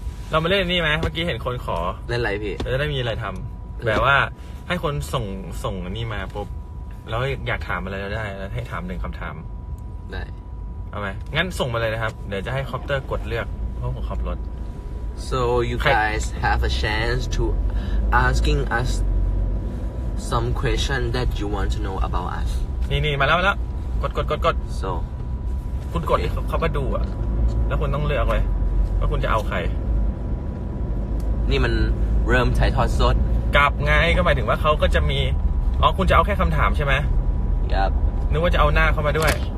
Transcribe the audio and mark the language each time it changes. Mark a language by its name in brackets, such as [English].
[Thai] เรามาเล่นนี่มั้ยเมื่อกี้เห็นคนขอ เล่นอะไรพี่ จะได้มีอะไรทําแบบว่าให้คนส่งนี่มาปุ๊บแล้วอยากถามอะไรก็ได้แล้วให้ถาม1คําถาม ได้เอามั้ยงั้นส่งมาเลยนะครับเดี๋ยวจะให้คอปเตอร์กดเลือกเพราะผมขับรถ [English] So you guys have a chance to asking us some question that you want to know about us [Thai] นี่มาแล้วกด [English] So [Thai] คุณ okay. กดเขาก็ดูอ่ะแล้วคุณต้องเลือกเลยว่าคุณจะเอาใคร นี่มันเริ่มถ่ายทอดสด กลับไงก็หมายถึงว่าเขาก็จะมีอ๋อคุณจะเอาแค่คำถามใช่ไหม ครับ นึกว่าจะเอาหน้าเข้ามาด้วย